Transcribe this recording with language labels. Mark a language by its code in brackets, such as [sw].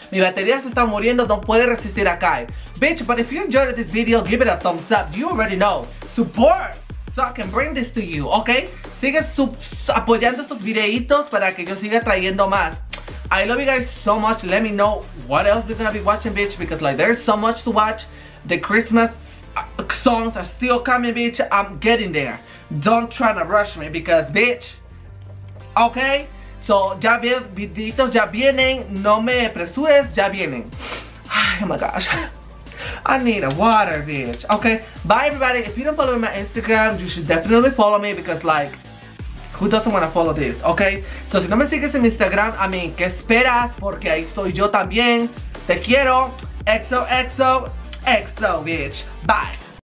[es] Mi batería se está muriendo, no puede resistir a Kai. [en] Bitch, but if you enjoyed this video, give it a thumbs up. You already know. Support! So I can bring this to you, okay? [es] Sigue apoyando estos videitos para que yo siga trayendo más. [en] I love you guys so much. Let me know what else we're gonna be watching, bitch, because like there's so much to watch. The Christmas songs are still coming, bitch. I'm getting there. Don't try to rush me because, bitch. Okay? [es] So ya videitos ya vienen. No me apresures, ya vienen. Ay, [en] oh my gosh. I need a water, bitch. Okay, bye everybody. If you don't follow me on my Instagram, you should definitely follow me because, like, who doesn't want to follow this, okay? [es] So, si no me sigues en Instagram, [en] I mean, [es] ¿qué esperas? Porque ahí soy yo también. Te quiero. EXO, EXO, EXO, bitch. Bye.